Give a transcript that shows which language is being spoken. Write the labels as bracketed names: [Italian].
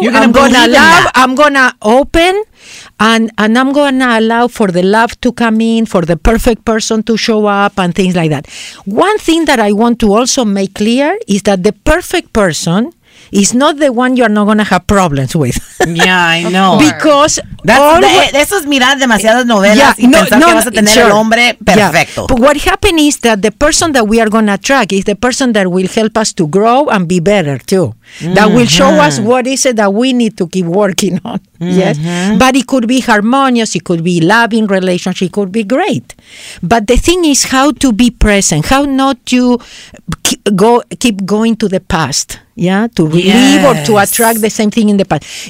[English] I'm gonna open, and I'm gonna allow for the love to come in, for the perfect person to show up, and things like that. One thing that I want to also make clear is that the perfect person is not the one you're not gonna have problems with. Yeah, I know. Because [Spanish] eso es mirar demasiadas novelas y pensar que vas a tener el hombre perfecto. [English] Yeah. But what happened is that the person that we are gonna attract is the person that will help us to grow and be better too. Mm-hmm. That will show us what is it that we need to keep working on. Mm-hmm. Yes. But it could be harmonious, it could be loving relationship, it could be great. But the thing is how to be present, how not to keep going to the past, yeah, to relive or to attract the same thing in the past.